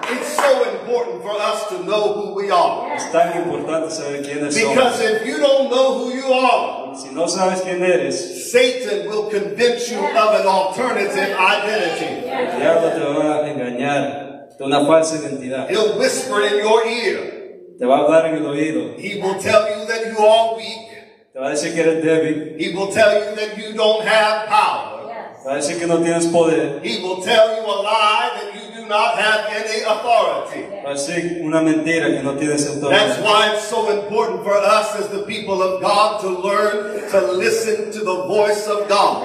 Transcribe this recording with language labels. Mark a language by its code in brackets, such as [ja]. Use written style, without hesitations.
[en] It's so important for us to know who we are. [es] Es tan importante saber quiénes [en] because [es] somos. [en] Because if you don't know who you are, [es] si no sabes quién eres, [en] Satan will convince you of an alternative identity. [es] El diablo te va a engañar de una falsa identidad. [en] He'll whisper in your ear. [es] Te va a hablar en el oído. [en] He will tell you that you are weak. [es] Te va a decir que eres débil. [en] He will tell you that you don't have power. [es] Te va a decir que no tienes poder. [en] He will tell you a lie that you do not have any authority. [es] Te va a decir una mentira que no tienes autoridad. [en] That's why it's so important for us as the people of God to learn to listen to the voice of God.